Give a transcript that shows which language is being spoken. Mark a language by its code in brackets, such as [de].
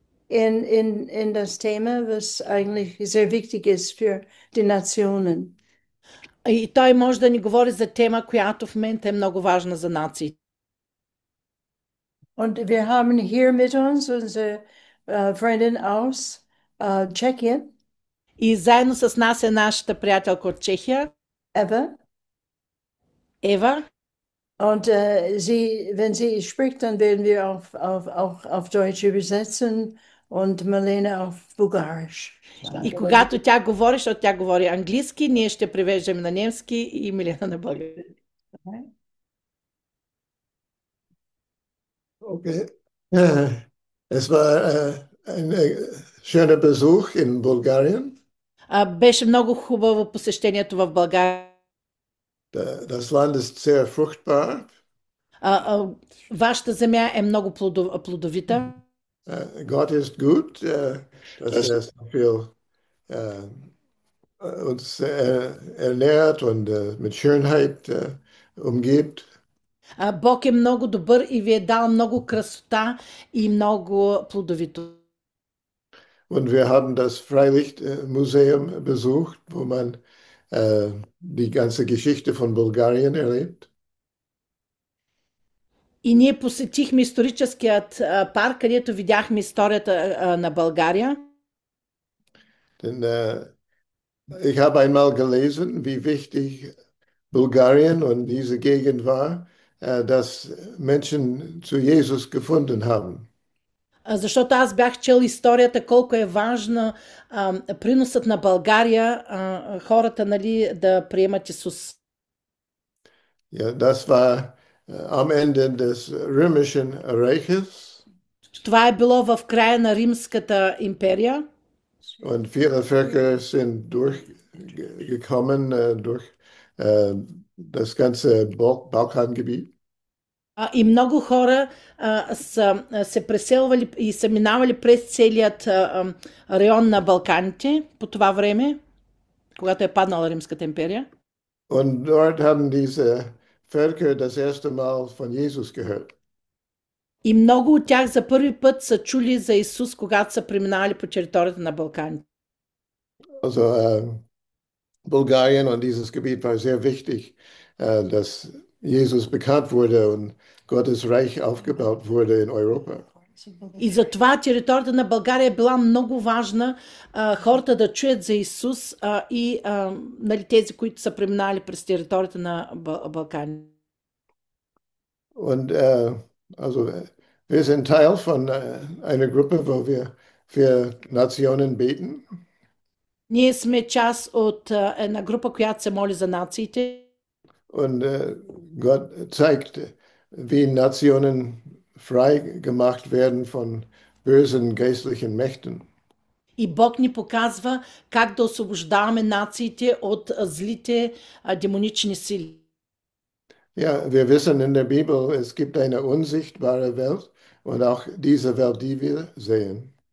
[de] einführen in das Thema, was eigentlich sehr wichtig ist für die Nationen. [bg] И той може да ни говори за тема, която в момента е много важна за нациите. [de] Und wir haben hier mit uns unsere Freundin aus Tschechien, [bg] И заедно с нас е нашата приятелка от Чехия, [de] Eva. [bg] Ева. [de] Und sie, wenn sie spricht, dann werden wir auf Deutsch übersetzen und Marlene auf Bulgarisch [bg] И [de] schlagen. [bg] когато тя говори, защото тя говори английски, ние ще превеждаме на немски и Милена на български. Okay. [de] Ja, es war ein schöner Besuch in Bulgarien. [bg] Беше много хубаво посещението в България. [de] Das Land ist sehr fruchtbar. [bg] Вашата земя е много плодовита. [de] Gott ist gut, dass Das er so viel uns ernährt und mit Schönheit umgibt. [bg] Бог е много добър и ви е дал много красота и много плодовитост. [de] Und wir haben das Freilichtmuseum besucht, wo man die ganze Geschichte von Bulgarien erlebt. [bg] И ние посетихме историческият парк, където видяхме историята на България. [de] Denn ich habe einmal gelesen, wie wichtig Bulgarien und diese Gegend war, dass Menschen zu Jesus gefunden haben. [bg] Защото аз бях чел историята, колко е важно приносът на България, хората, нали, да приемат Исус. [de] Ja, das war am Ende des Römischen Reiches. [bg] Това е било в края на Римската империя. [de] Und viele Völker sind durchgekommen durch das ganze Balkangebiet. [bg] И много хора се преселвали и са минавали през целият район на Балканите по това време, когато е паднала Римската империя. [de] Und dort haben diese Völker das erste Mal von Jesus gehört. [bg] И много от тях за първи път са чули за Исус, когато са преминавали по територията на Балканите. [de] Also, Bulgarien und dieses Gebiet war sehr wichtig, dass Jesus bekannt wurde und Gottes Reich aufgebaut wurde in Europa. [bg] И затова територията на България е била много важна хората да чуят за Исус и нали, тези, които са преминали през територията на Балкани. [de] Und also wir sind Teil von einer Gruppe, wo wir für Nationen beten. [bg] Ние сме част от една група, която се моли за нациите. [de] Und Gott zeigt, wie Nationen frei gemacht werden von bösen geistlichen Mächten. [bg] И Бог ни показва как да освобождаваме нациите от злите демонични сили. [de] Ja, wir wissen in der Bibel, es gibt eine unsichtbare Welt und auch diese Welt, die wir sehen.